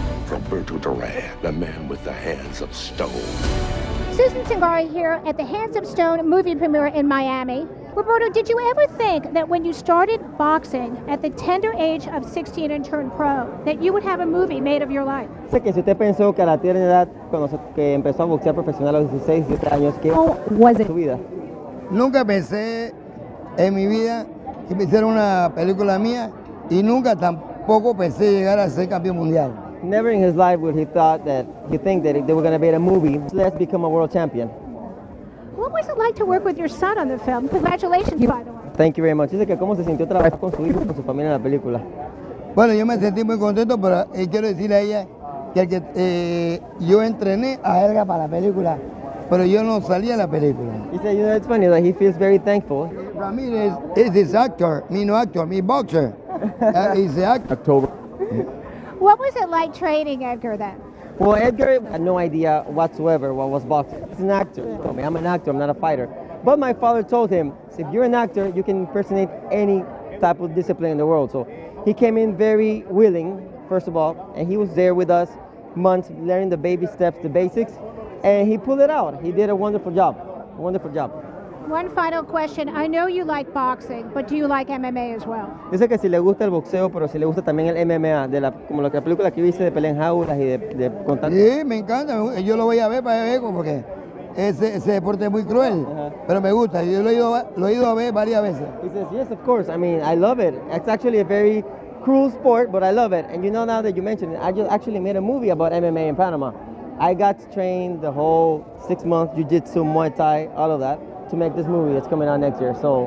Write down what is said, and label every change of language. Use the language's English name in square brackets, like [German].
[English] Roberto Duran, the man with the hands of stone. Susan Cingari here at the Hands of Stone movie premiere in Miami. Roberto, did you ever think that when you started boxing at the tender age of 16 and turned pro, that you would have a movie made of your life? [Spanish] Sé que si usted pensó que a la tierna edad, cuando que empezó a boxear profesional a los 16, 17 años, ¿qué [English] was it? [Spanish] Su vida? Nunca pensé en mi vida que me hiciera una película mía y nunca tampoco pensé llegar a ser campeón mundial. [English] Never in his life would he thought that he think that they were going to be in a movie, let's become a world champion. What was it like to work with your son on the film? Congratulations, by the way. Thank you very much. [Spanish] Dice que cómo se sintió trabajar con su hijo, con su familia en la película. Bueno, yo me sentí muy contento, pero quiero decirle a ella que yo entrené a Elga para la película, pero yo no salí a la película. [English] He said, you know, it's funny that he feels very thankful. Ramirez is his actor, me no actor, me boxer. He's the actor. October. What was it like training Edgar then? Well, Edgar had no idea whatsoever what was boxing. He's an actor. He told me, I'm an actor, I'm not a fighter. But my father told him, if you're an actor, you can impersonate any type of discipline in the world. So he came in very willing, first of all, and he was there with us months learning the baby steps, the basics, and he pulled it out. He did a wonderful job, a wonderful job. One final question. I know you like boxing, but do you like MMA as well? [Spanish] Dice que si le gusta el boxeo, pero si le gusta también el MMA, de la, como la película que viste de pelea en jaulas y de contacto. Sí, me encanta. Yo lo voy a ver para ver, porque ese deporte es muy cruel, pero me gusta. Yo lo he ido a ver varias veces. [English] He says, yes, of course. I mean, I love it. It's actually a very cruel sport, but I love it. And you know, now that you mentioned it, I just actually made a movie about MMA in Panama. I got to train the whole 6 months, jiu-jitsu, Muay Thai, all of that. To make this movie, it's coming out next year. So,